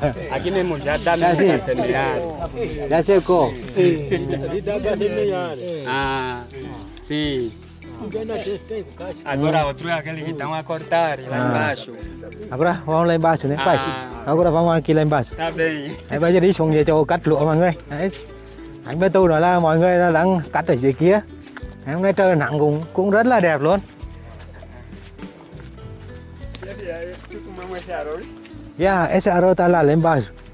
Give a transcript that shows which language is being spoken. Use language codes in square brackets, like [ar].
[pt] Aqui mesmo já dá mesmo para semear. Já seco. Sim. Dá para semear. Ah, sim. Agora outro é aquele que estão a cortar lá embaixo. Agora vamos lá embaixo, né? Pai. Agora vamos aqui lá embaixo. Tá bem. Aí vai ali [vi] xuống để cho cắt lúa mọi người. Đấy. Anh Bê Tu nói là mọi người đang cắt ở dưới kia. Hôm nay trời nắng cũng rất là đẹp luôn. [pt] Yeah, esse arroz tá lá embaixo.